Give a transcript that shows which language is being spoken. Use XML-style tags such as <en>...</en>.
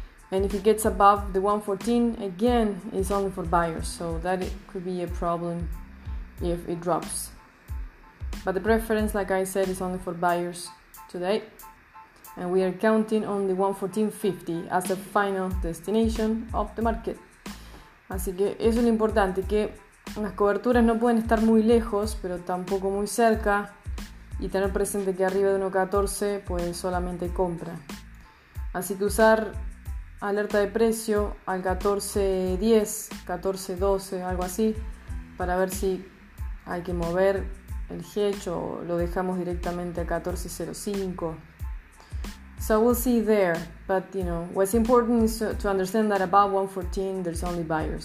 <en>And if it gets above the 1.14, again, it's only for buyers. So that could be a problem if it drops. But the preference, like I said, is only for buyers today. And we are counting on the 1.1450 as the final destination of the market.</en> <es>Así que eso es lo importante, que las coberturas no pueden estar muy lejos, pero tampoco muy cerca. Y tener presente que arriba de 1.14, pues solamente compra. Así que usar alerta de precio al 14.10, 14.12, algo así, para ver si hay que mover el hedge o lo dejamos directamente a 14.05.</es> <en>So we'll see there, but you know, what's important is to understand that above 1.14 there's only buyers.</en>